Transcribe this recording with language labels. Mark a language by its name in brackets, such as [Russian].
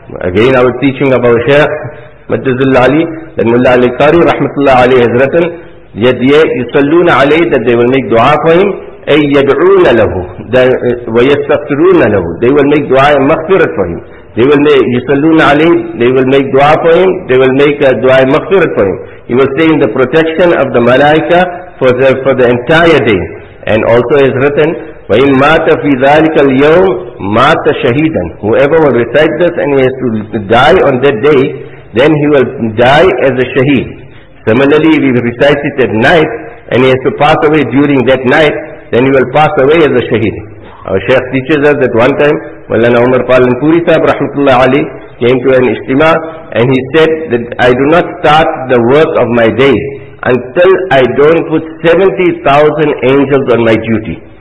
[English] Again, I was teaching about Shaykh Madrasatul Ali, that Mullah Ali Qari rahmatullah alayhi wa sallam, yet [Arabic] يُصَلُّونَ عَلَيْهِ, [English] that they will make dua for him, [Arabic] أَيَّدْعُونَ لَهُ وَيَسْتَغْفِرُونَ لَهُ, [English] they will make dua and maghfirat for him. They will make [Arabic] يُسَلُّونَ عَلَيْهِ, [English] they will make dua for him, they will make a dua and maghfirat for him. He will stay in the protection of the malaika for the entire day. And also is written, [Arabic] وَإِن مَاتَ فِي ذَلِكَ الْيَوْمِ مَاتَ شَهِدًا. [English] Whoever will recite this and he has to die on that day, then he will die as a shaheed. Similarly, if he recites it at night and he has to pass away during that night, then you will pass away as a shaheed. Our Shaykh teaches us that one time, Mawlana Umar Palanpuri Sahib Rahmatullah Ali came to an ishtima and he said that I do not start the work of my day until I don't put 70,000 angels on my duty.